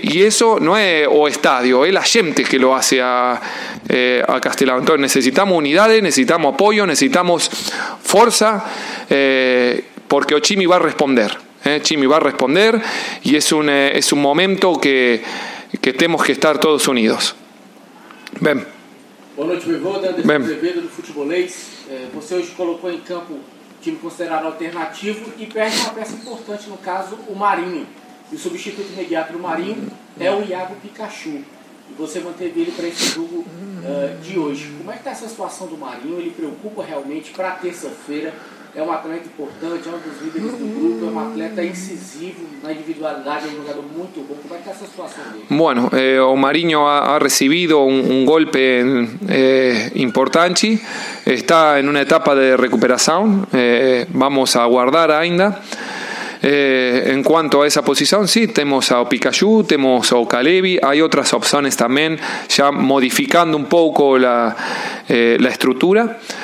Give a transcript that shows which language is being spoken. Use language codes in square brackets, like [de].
[es] Y eso no es o estadio, es la gente que lo hace a Castelao. Entonces, necesitamos unidades, necesitamos apoyo, necesitamos fuerza, porque Chimi va a responder. Chimi va a responder, y es un momento que temos que estar todos unidos. [pt] Bem. Boa noite, Vivoda. Bem. Do Futebolês. Você hoje colocou em campo time considerado alternativo e perde uma peça importante, no caso, o Marinho. E o substituto imediato do Marinho é o Iago Pikachu. E você manteve ele para esse jogo de hoje. Como é que está essa situação do Marinho? Ele preocupa realmente para terça-feira? É um atleta importante, é um dos líderes do grupo, é um atleta incisivo na individualidade, é um jogador muito bom. Como é que está essa situação dele? [es] Bueno, o Marinho ha [pt] recebido um golpe importante. Está em uma etapa de recuperação. [es] Vamos a [pt] aguardar ainda. [es] En cuanto a esa posición, sí, tenemos a Pikachu, tenemos a Ocalevi, hay otras opciones también, ya modificando un poco la estructura.